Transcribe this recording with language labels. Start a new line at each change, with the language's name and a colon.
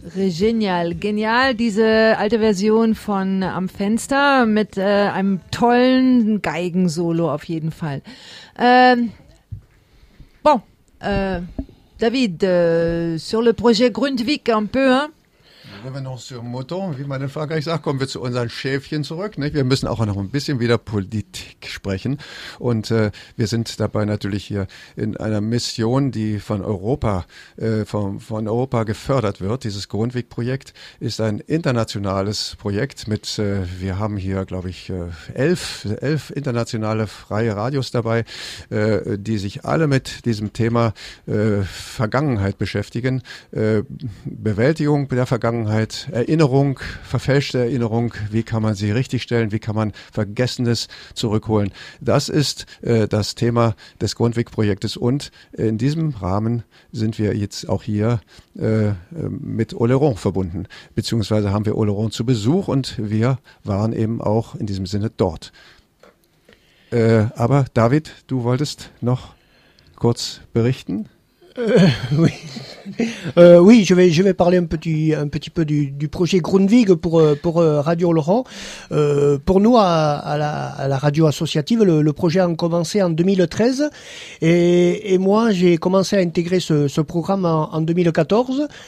German: Génial, diese alte Version von Am Fenster mit einem tollen Geigensolo auf jeden Fall.
French: David, sur le projet Grundtvig un peu, hein? Revenons sur Mouton,
German: wie meine Frau gleich sagt, kommen wir zu unseren Schäfchen zurück. Nicht? Wir müssen auch noch ein bisschen wieder Politik sprechen. Und wir sind dabei natürlich hier in einer Mission, die von Europa gefördert wird. Dieses Grundtvig-Projekt ist ein internationales Projekt mit, wir haben hier, glaube ich, 11 internationale freie Radios dabei, die sich alle mit diesem Thema Vergangenheit beschäftigen. Bewältigung der Vergangenheit. Erinnerung, verfälschte Erinnerung, wie kann man sie richtigstellen, wie kann man Vergessenes zurückholen. Das ist das Thema des Grundtvig-Projektes und in diesem Rahmen sind wir jetzt auch hier mit Oloron verbunden, beziehungsweise haben wir Oloron zu Besuch und wir waren eben auch in diesem Sinne dort. Aber David, du wolltest noch kurz berichten.
French: Oui, je vais parler un petit peu du projet Grundtvig pour Radio Oloron. Pour nous à la radio associative, le projet a commencé en 2013 et moi j'ai commencé à intégrer ce programme en 2014.